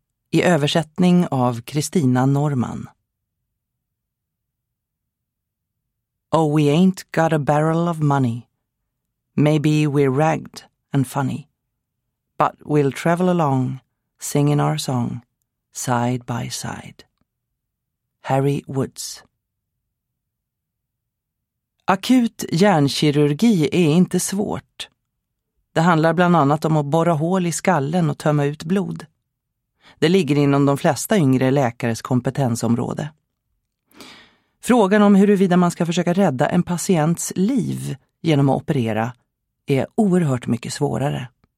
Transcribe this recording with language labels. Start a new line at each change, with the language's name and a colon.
Swedish: I översättning av Kristina Norman.
English: Oh, we ain't got a barrel of money. Maybe we're ragged and funny. But we'll travel along, singing our song, side by side. Harry Woods.
Swedish: Akut hjärnkirurgi är inte svårt. Det handlar bland annat om att borra hål i skallen och tömma ut blod. Det ligger inom de flesta yngre läkares kompetensområde. Frågan om huruvida man ska försöka rädda en patients liv genom att operera är oerhört mycket svårare.